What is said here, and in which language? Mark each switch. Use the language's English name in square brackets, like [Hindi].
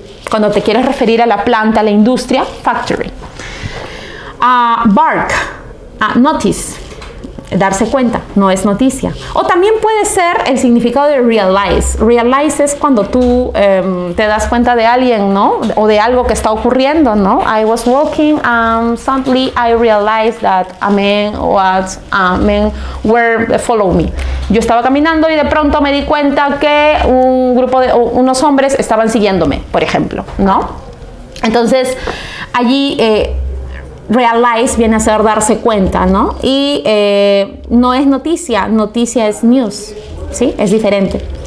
[Spanish] Cuando te quieres referir a la planta, a la industria, factory. Bark. Notice. Darse cuenta, no es noticia. O también puede ser el significado de realize. Realize es cuando tú te das cuenta de alguien, ¿no? O de algo que está ocurriendo, ¿no? [English] I was walking and suddenly I realized that a man were following me. [Spanish] Yo estaba caminando y de pronto me di cuenta que un grupo de unos hombres estaban siguiéndome, por ejemplo, ¿no? Entonces, allí realize viene a ser darse cuenta, ¿no? Y no es noticia, noticia es news, ¿sí? Es diferente.